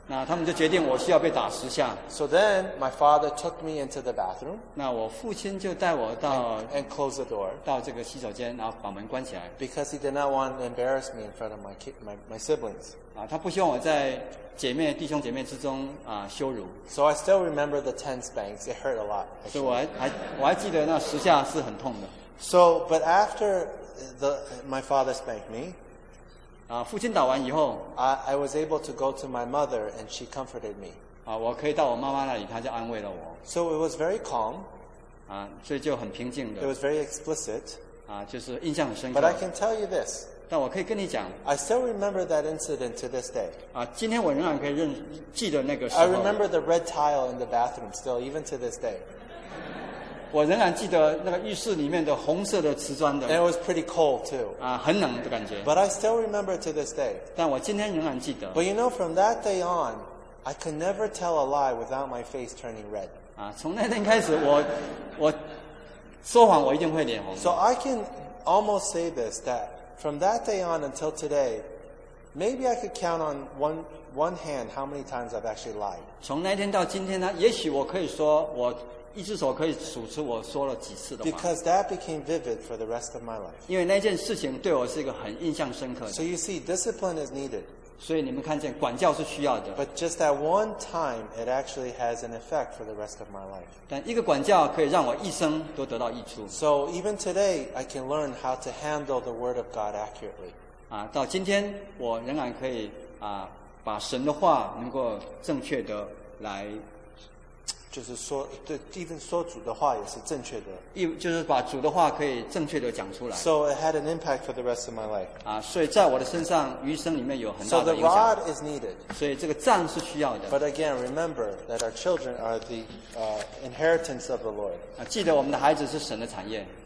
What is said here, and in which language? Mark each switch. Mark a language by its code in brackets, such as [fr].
[zh] 那他们就决定我需要被打十下。 [en] So then my father took me into the bathroom. [zh] 那我父亲就带我到 [en] and close the door. [zh] 到这个洗手间，然后把门关起来。 [en] Because he did not want to embarrass me in front of my siblings. [zh] 啊，他不希望我在姐妹弟兄姐妹之中啊羞辱。 [en] So I still remember the 10 spanks. It hurt a lot. [zh] 所以我还记得那十下是很痛的。 [en] So but after my father spanked me. [zh] 父亲打完以后 [en] I was able to go to my mother and she comforted me. [zh] 我可以到我妈妈那里她就安慰了我。 [en] So it was very calm. [zh] 所以就很平静的。 [en] It was very explicit. [zh] 就是印象很深刻。 [en] But I can tell you this. [zh] 但我可以跟你讲。 [en] I still remember that incident to this day. [zh] 今天我仍然可以记得那个时候。 [en] I remember the red tile in the bathroom still, even to this day. [zh] 我仍然记得那个浴室里面的红色的瓷砖的。 [en] And it was pretty cold too. [zh] 很冷的感觉。 [en] But I still remember to this day. [zh] 但我今天仍然记得。 [en] But you know, from that day on, I could never tell a lie without my face turning red. [zh] 从那天开始，我说谎我一定会脸红。 [en] So I can almost say this, that from that day on until today, maybe I could count on one hand how many times I've actually lied. [zh] 从那天到今天呢，也许我可以说我一只手可以数出我说了几次的话。 [en] Because that became vivid for the rest of my life. [zh] 因为那件事情对我是一个很印象深刻的。 [en] So you see, discipline is needed. [zh] 所以你们看见管教是需要的。 [en] But just that one time, it actually has an effect for the rest of my life. [zh] 但一个管教可以让我一生都得到益处。 [en] So even today, I can learn how to handle the word of God accurately. [zh] 到今天我仍然可以把神的话能够正确的来。就是说，对，即便说主的话也是正确的。就是把主的话可以正确的讲出来。 [en] So it had an impact for the rest of my life. [zh] 所以在我的身上，余生里面有很大的影响。 [en] So the rod is needed. [zh] 所以这个杖是需要的。 [en] But again, remember that our children are the inheritance of the Lord. [zh] 记得我们的孩子是神的产业。